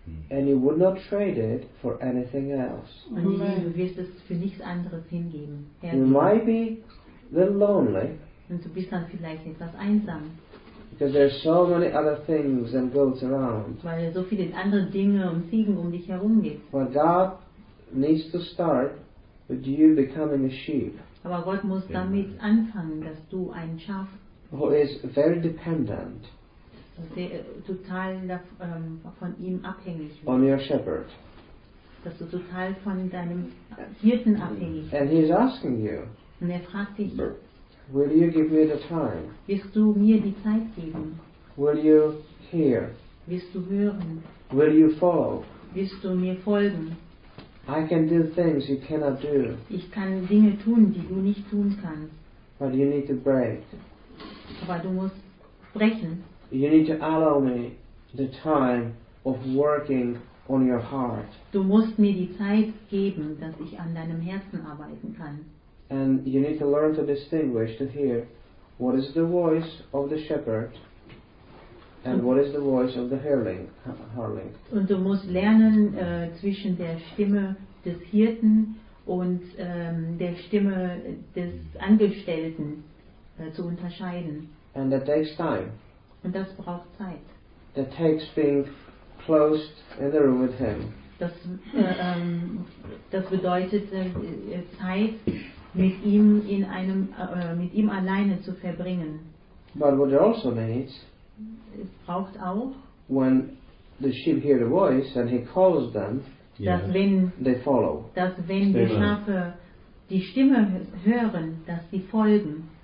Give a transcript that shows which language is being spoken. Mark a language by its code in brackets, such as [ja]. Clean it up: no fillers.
[en] And you would not trade it for anything else. [de] Und du wirst es für nichts anderes hingeben. [en] You might be a little lonely. [de] Und du bist dann vielleicht etwas einsam. [en] Because there are so many other things and goats around. [de] Weil es so viele andere Dinge und Ziegen dich herum gibt. [en] But God needs to start with you becoming a sheep. [de] Aber Gott muss damit anfangen, dass du ein Schaf. [en] Who is very dependent. [de] Total von ihm abhängig wird. [en] On your shepherd. [de] Dass du total von deinem Hirten abhängig bist. [en] And he's asking you. [de] Und fragt dich. [en] Will you give me the time? [de] Wirst du mir die Zeit geben? [en] Will you hear? [de] Wirst du hören? [en] Will you follow? [de] Wirst du mir folgen? [en] I can do things you cannot do. [de] Ich kann Dinge tun, die du nicht tun kannst. [en] But you need to break. [de] Aber du musst brechen. [en] You need to allow me the time of working on your heart. [de] Du musst mir die Zeit geben, dass ich an deinem Herzen arbeiten kann. [en] And you need to learn to distinguish, to hear what is the voice of the shepherd and what is the voice of the hireling. [de] Und du musst lernen, zwischen der Stimme des Hirten und der Stimme des Angestellten zu unterscheiden. [en] And that takes time. [de] Und das braucht Zeit. [en] That takes being close in the room with him. [de] Das bedeutet Zeit mit ihm in einem mit ihm alleine zu verbringen. [en] But what it also needs. [de] Es braucht auch. [en] When the sheep hear the voice and he calls them. [de] Dass wenn [en] they follow. [de] Dass wenn die Schafe die Stimme hören, dass sie folgen.